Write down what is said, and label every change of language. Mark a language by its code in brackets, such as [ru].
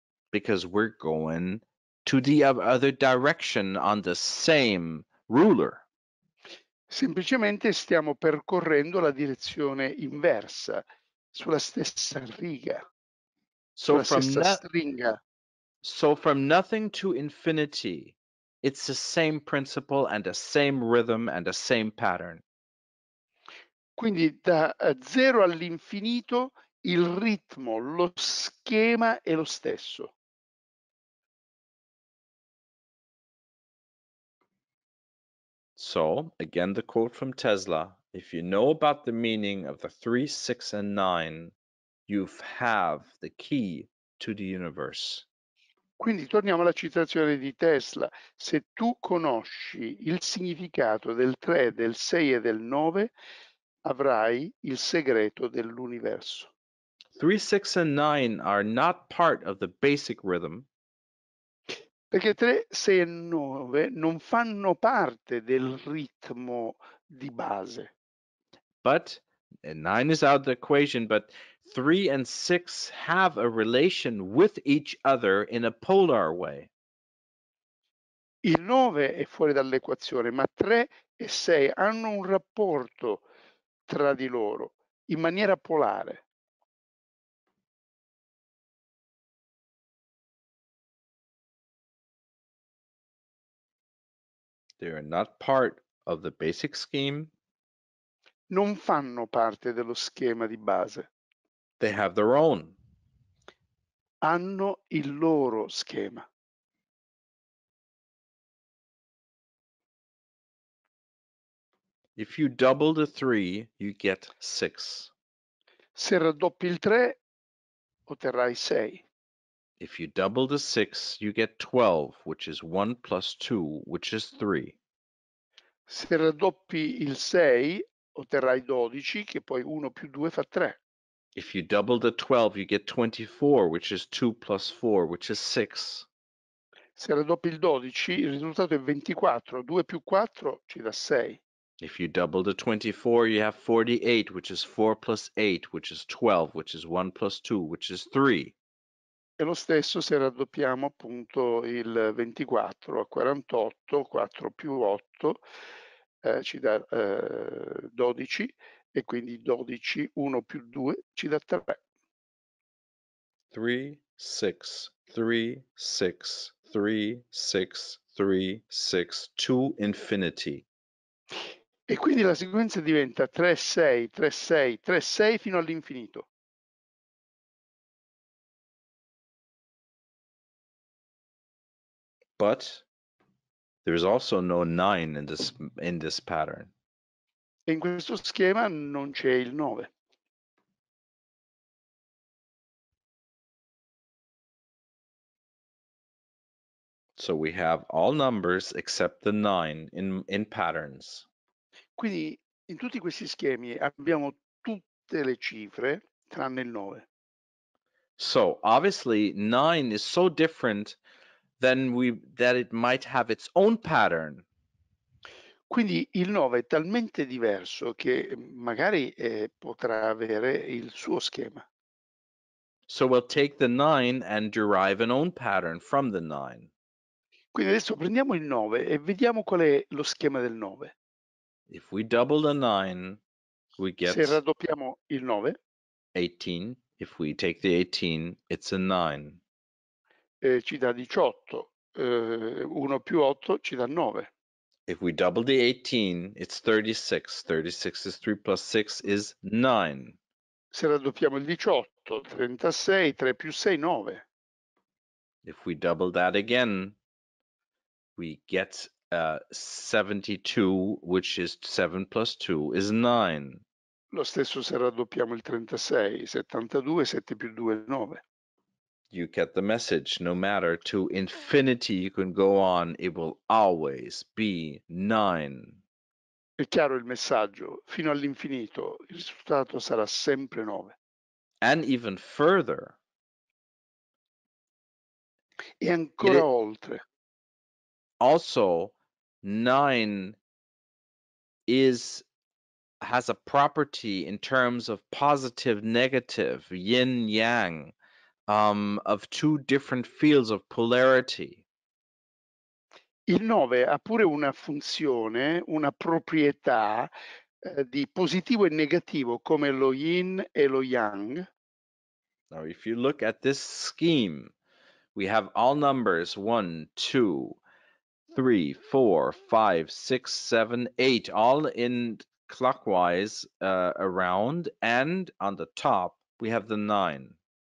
[en] Because we're going to the other direction on the same ruler. [it] Semplicemente stiamo percorrendo la direzione inversa, sulla stessa riga, sulla stessa stringa. [en] So from nothing to infinity. It's the same principle and the same rhythm and the same pattern. [it] Quindi da zero all'infinito il ritmo, lo schema è lo stesso. [en] So, again the quote from Tesla, if you know about the meaning of the 3, 6 and 9, you have the key to the universe. [it] Quindi torniamo alla citazione di Tesla. Se tu conosci il significato del 3, del 6 e del 9, avrai il segreto dell'universo. [en] 3, 6 e 9 are not part of the basic rhythm. [it] Perché 3, 6 e 9 non fanno parte del ritmo di base. [en] But, and 9 is out of the equation, but 3 and 6 have a relation with each other in a polar way. [it] Il 9 è fuori dall'equazione, ma 3 e 6 hanno un rapporto tra di loro in maniera polare. [en] They are not part of the basic scheme. [it] Non fanno parte dello schema di base. [en] They have their own. [it] Hanno il loro schema. [en] If you double the 3, you get 6. [it] Se raddoppi il 3, otterrai 6. [en] If you double the 6, you get 12, which is 1 plus 2, which is 3. [it] Se raddoppi il 6, otterrai 12, che poi 1 più 2 fa 3. [en] If you double the 12, you get 24, which is 2 plus 4, which is 6. [it] Se raddoppi il 12, il risultato è 24. 2 più 4 ci dà 6. [en] If you double the 24, you have 48, which is 4 plus 8, which is 12, which is 1 plus 2, which is 3. [it] E lo stesso se raddoppiamo appunto il 24 a 48, 4 più 8 ci dà 12, e quindi 12, 1 più 2 ci dà 3. [en] 3, 6, 3, 6, 3, 6, 3, 6, 2, infinity. [it] E quindi la sequenza diventa 3, 6, 3, 6, 3, 6 fino all'infinito. [en] But there is also no 9 in this pattern. [it] In questo schema non c'è il 9. [en] So we have all numbers except the 9 in patterns. [it] Quindi in tutti questi schemi abbiamo tutte le cifre tranne il 9. [en] So obviously 9 is so different that it might have its own pattern. [it] Quindi il 9 è talmente diverso che magari potrà avere il suo schema. [en] So we'll take the 9 and derive an own pattern from the 9. [it] Quindi adesso prendiamo il 9 e vediamo qual è lo schema del 9. [en] If we double the 9, we get... [it] Se raddoppiamo il 9... [en] 18. If we take the 18, it's a 9. [it] Ci dà 18. 1 più 8 ci dà 9. [en] If we double the 18, it's 36. 36 is 3 plus 6 is 9. [it] Se raddoppiamo il 18, 36. 3 più 6, 9. [en] If we double that again, we get 72, which is 7 plus 2 is 9. [it] Lo stesso se raddoppiamo il 36. 72, 7 più 2 è 9. [en] You get the message, no matter to infinity you can go on, it will always be 9. [it] È chiaro il messaggio, fino all'infinito il risultato sarà sempre 9. [en] And even further. [it] E ancora oltre. [en] Also, 9 has a property in terms of positive, negative, yin, yang. Of two different fields of polarity. [it] Il 9 ha pure una funzione, una proprietà di positivo e negativo come lo yin e lo yang. [en] Now if you look at this scheme, we have all numbers 1, 2, 3, 4, 5, 6, 7, 8 all in clockwise around, and on the top we have the 9.